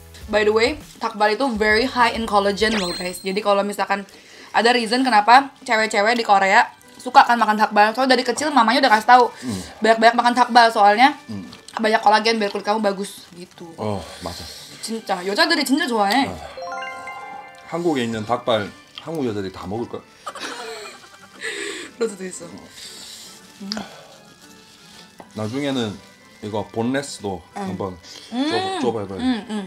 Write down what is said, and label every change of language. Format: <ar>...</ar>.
<id>By the way, takbal itu</id> <en>very high in collagen</en> <id>loh guys. Jadi kalau misalkan ada reason kenapa cewek-cewek di Korea suka kan makan takbal. Soalnya dari kecil mamanya udah kasih tahu banyak-banyak makan takbal soalnya banyak kolagen biar kulit kamu bagus gitu.</id> <ko>Oh, 맞아. 진짜. 여자들이 진짜 좋아해. 한국에 있는 닭발 한국 여자들이 다 먹을 걸? 그럴 수도 있어. 나중에는 이거 boneless도 한번 쪼봐봐요.</ko>